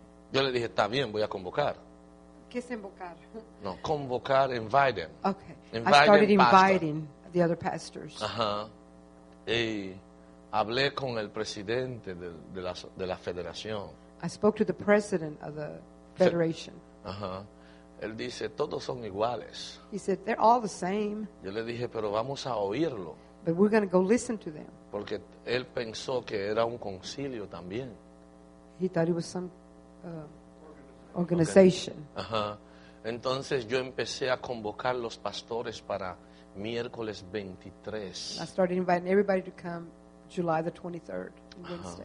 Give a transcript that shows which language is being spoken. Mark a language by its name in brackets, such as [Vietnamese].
[Spanish] Yo le dije, está bien, voy a convocar. ¿Qué es invocar? No, convocar, [English] invite them. Okay. Invite I started them inviting pastor. The other pastors. Uh-huh. [Spanish] Y hablé con el presidente de la federación. [English] I spoke to the president of the federation. [Spanish] Uh-huh. Él dice, todos son iguales. [English] He said, they're all the same. [Spanish] Yo le dije, pero vamos a oírlo. [English] But we're going to go listen to them. [Spanish] Porque él pensó que era un concilio también. [English] He thought it was some organization. Okay. Uh-huh. [Spanish] Entonces yo empecé a convocar los pastores para miércoles 23. [English] I started inviting everybody to come July the 23rd, Wednesday.